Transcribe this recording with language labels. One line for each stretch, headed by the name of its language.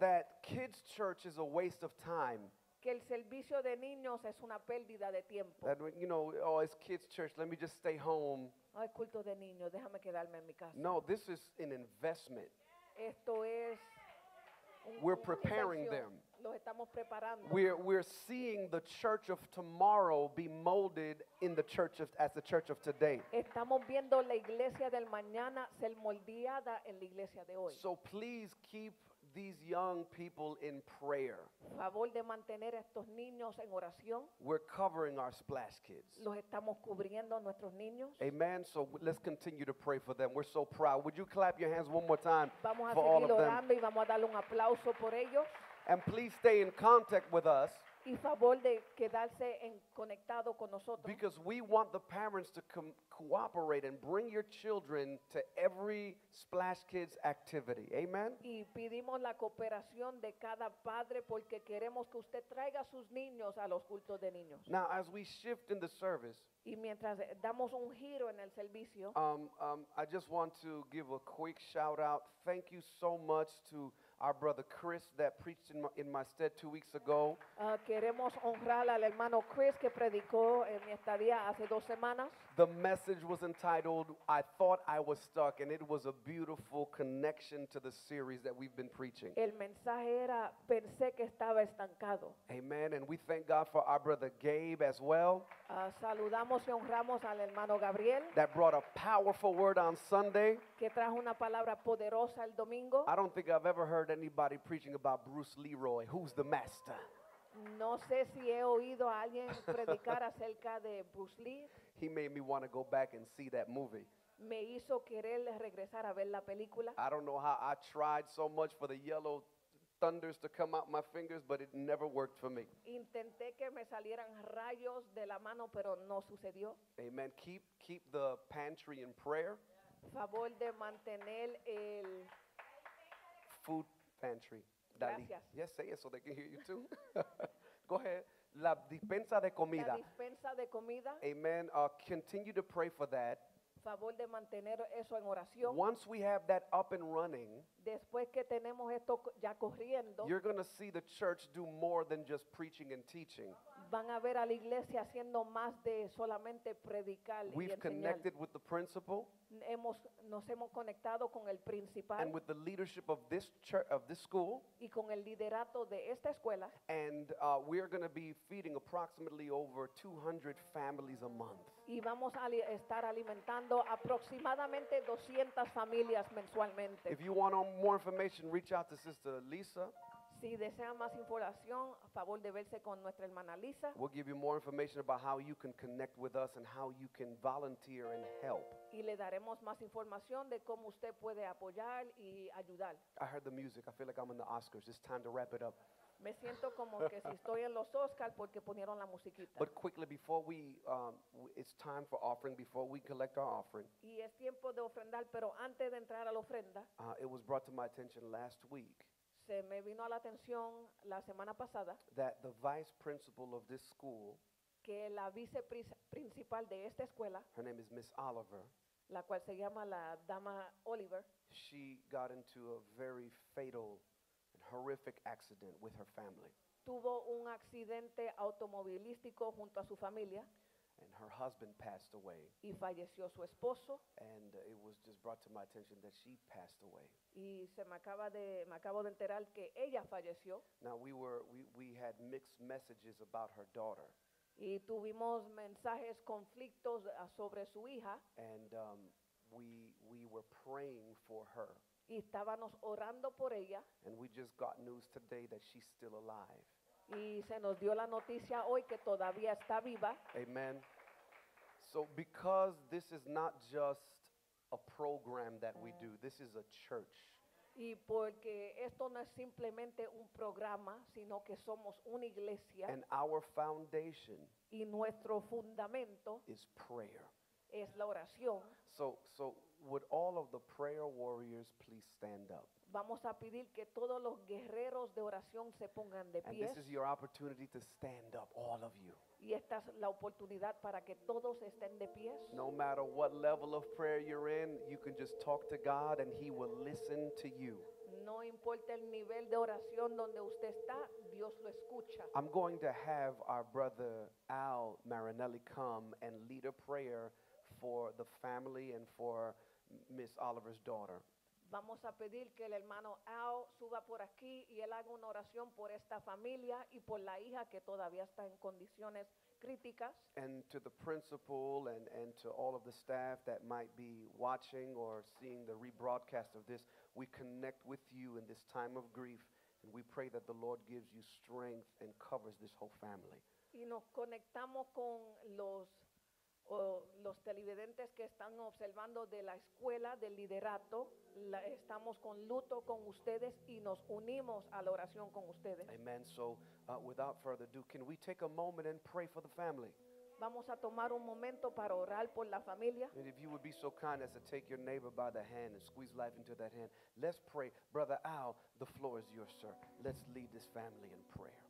English: that kids' church is a waste of time.
Spanish: Que el servicio de niños es una pérdida de tiempo.
English: That, you know, oh, it's kids' church, let me just stay home.
Spanish: Ay, culto de niños, déjame quedarme en mi casa.
English: No, this is an investment.
Spanish: Esto es
English: we're preparing them.
Spanish: Los estamos preparando.
English: We're seeing the church of tomorrow be molded in the church of as the church of today.
Spanish: Estamos viendo la iglesia del mañana ser moldeada en la iglesia de hoy.
English: So please keep these young people in prayer.
Spanish: Favor de mantener estos niños en oración.
English: We're covering our splash kids.
Spanish: Los estamos cubriendo nuestros niños.
English: Amen. So let's continue to pray for them. We're so proud. Would you clap your hands one more time
Spanish: vamos
English: for all of them?
Spanish: Y vamos a darle un aplauso por ellos.
English: And please stay in contact with us.
Spanish: Y favor de quedarse en conectado con nosotros.
English: Because we want the parents to cooperate and bring your children to every Splash Kids activity. Amen.
Spanish: Y pedimos la cooperación de cada padre porque queremos que usted traiga sus niños a los cultos de niños.
English: Now, as we shift in the service,
Spanish: y mientras damos un giro en el servicio,
English: I just want to give a quick shout out. Thank you so much to our brother Chris that preached in my stead 2 weeks ago.
Spanish: Queremos honrar al hermano Chris que predicó en mi estadía hace 2 semanas.
English: The message was entitled, I Thought I Was Stuck, and it was a beautiful connection to the series that we've been preaching.
Spanish: El mensaje era, pensé que estaba estancado.
English: Amen, and we thank God for our brother Gabe as well.
Spanish: Saludamos y honramos al hermano Gabriel.
English: That brought a powerful word on Sunday.
Spanish: Que trajo una palabra poderosa el domingo.
English: I don't think I've ever heard anybody preaching about Bruce Leroy, who's the master.
Spanish: No sé si he oído a alguien predicar acerca de Bruce Lee.
English: He made me want to go back and see that movie.
Spanish: Me hizo querer regresar a ver la película.
English: I don't know how I tried so much for the yellow thunders to come out my fingers, but it never worked for me.
Spanish: Intenté que me salieran rayos de la mano, pero no sucedió.
English: Amen. Keep the pantry in prayer.
Spanish: Favor de mantener el
English: food pantry.
Spanish: Gracias.
English: Yes, say it so they can hear you too. Go ahead.
Spanish: La dispensa de comida. La dispensa de comida.
English: Amen. Continue to pray for that.
Spanish: favor de mantener eso en oración.
English: Once we have that up and running,
Spanish: después que tenemos esto ya corriendo,
English: you're going to see the church do more than just preaching and teaching.
Spanish: Van a ver a la iglesia haciendo más de solamente predicar y enseñar.
English: We've connected with the principal.
Spanish: Nos hemos conectado con el principal.
English: And with the leadership of this church, of this school.
Spanish: Y con el liderato de esta escuela.
English: And we are going to be feeding approximately over 200 families a month.
Spanish: Y vamos a estar alimentando aproximadamente 200 familias mensualmente.
English: If you want more information, reach out to Sister Lisa.
Spanish: Si desea más información, a favor de verse con nuestra hermana Lisa.
English: We'll give you more information about how you can connect with us and how you can volunteer and help.
Spanish: Y le daremos más información de cómo usted puede apoyar y ayudar.
English: I heard the music. I feel like I'm in the Oscars. It's time to wrap it up.
Spanish: Me siento como que si estoy en los Oscars porque ponieron la musiquita.
English: But quickly, before we, it's time for offering, before we collect our offering.
Spanish: Y es tiempo de ofrendar, pero antes de entrar a la ofrenda.
English: It was brought to my attention last week.
Spanish: Se me vino a la atención la semana pasada.
English: That the vice principal of this school.
Spanish: Que la vice principal de esta escuela.
English: Her name is Miss Oliver.
Spanish: La cual se llama la dama Oliver.
English: She got into a very fatal and horrific accident with her family.
Spanish: Tuvo un accidente automovilístico junto a su familia.
English: And her husband passed away.
Spanish: Y falleció su esposo.
English: And it was just brought to my attention that she passed away.
Spanish: Y me acabo de enterar que ella falleció.
English: Now we had mixed messages about her daughter.
Spanish: Y tuvimos mensajes conflictos sobre su hija.
English: And we were praying for her.
Spanish: Y estábamos orando por ella.
English: And we just got news today that she's still alive.
Spanish: Y se nos dio la noticia hoy que todavía está viva.
English: Amen. So because this is not just a program that we do, this is a church.
Spanish: Y porque esto no es simplemente un programa, sino que somos una iglesia.
English: And our foundation.
Spanish: Y nuestro fundamento.
English: Is prayer.
Spanish: Es la oración.
English: So would all of the prayer warriors please stand up?
Spanish: Vamos a pedir que todos los guerreros de oración se pongan de pie.
English: And this is your opportunity to stand up, all of you.
Spanish: Y esta es la oportunidad para que todos estén de pie.
English: No matter what level of prayer you're in, you can just talk to God and He will listen to you.
Spanish: No importa el nivel de oración donde usted está, Dios lo escucha.
English: I'm going to have our brother Al Marinelli come and lead a prayer for the family and for Miss Oliver's daughter.
Spanish: Vamos a pedir que el hermano Al suba por aquí y él haga una oración por esta familia y por la hija que todavía está en condiciones críticas.
English: And to the principal and to all of the staff that might be watching or seeing the rebroadcast of this, we connect with you in this time of grief and we pray that the Lord gives you strength and covers this whole family.
Spanish: Y nos conectamos con los televidentes que están observando de la escuela, del liderato. Estamos con luto con ustedes y nos unimos a la oración con ustedes.
English: Amen. So, without further ado, can we take a moment and pray for the family?
Spanish: Vamos a tomar un momento para orar por la familia.
English: And if you would be so kind as to take your neighbor by the hand and squeeze life into that hand, let's pray. Brother Al, the floor is yours, sir. Let's lead this family in prayer.